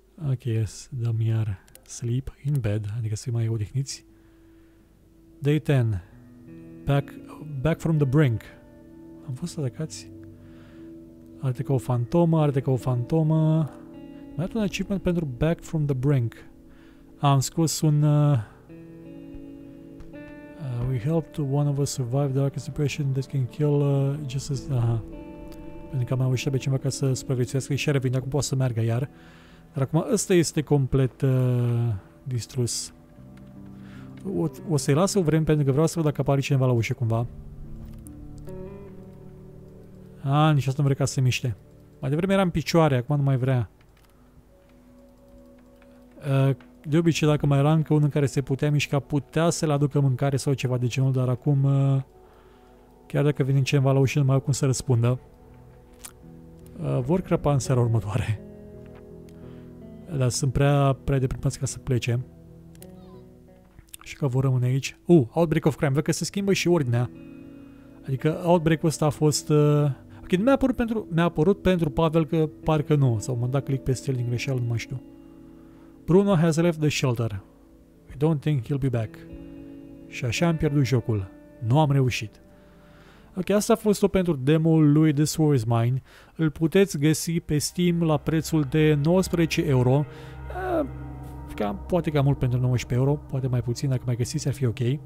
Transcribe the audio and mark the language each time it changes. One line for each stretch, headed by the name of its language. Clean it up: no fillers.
Romanian: Ok, yes. Dăm iar sleep in bed. Adică să fim mai odihniți.
English: Day 10. Back from the brink.
Romanian: Am fost atacați? Arată ca o fantomă, arată ca o fantomă. Mai arată un achievement pentru Back from the Brink. Am scos un...
English: we helped one of us survive the darkest depression that can kill just as...
Romanian: Pentru că am avut șabe ceva ca să supraviețuiască și revine, acum poate să meargă iar. Dar acum ăsta este complet distrus. O să-i lasă o vreme pentru că vreau să văd dacă apare cineva la ușă cumva. A, nici asta nu vrea ca să se miște. Mai devreme eram picioare, acum nu mai vrea. De obicei, dacă mai era încă unul în care se putea mișca, putea să-l aducă mâncare sau ceva de genul, dar acum, chiar dacă vine cineva la ușă, nu mai au cum să răspundă. Vor crăpa în seara următoare. Dar sunt prea deprimați ca să plece. Și că vor rămâne aici.
English: Outbreak of crime.
Romanian: Văd că se schimbă și ordinea. Adică outbreak-ul ăsta a fost... Ok, mi-a apărut pentru Pavel că parcă nu. Sau m-am dat click peste el din greșeală, nu mai știu.
English: Bruno has left the shelter. We don't think he'll be back.
Romanian: Și așa am pierdut jocul. Nu am reușit. Ok, asta a fost-o pentru demo-ul lui This War Is Mine. Îl puteți găsi pe Steam la prețul de 19 euro. Poate cam mult pentru 19 euro. Poate mai puțin, dacă mai găsiți, ar fi ok.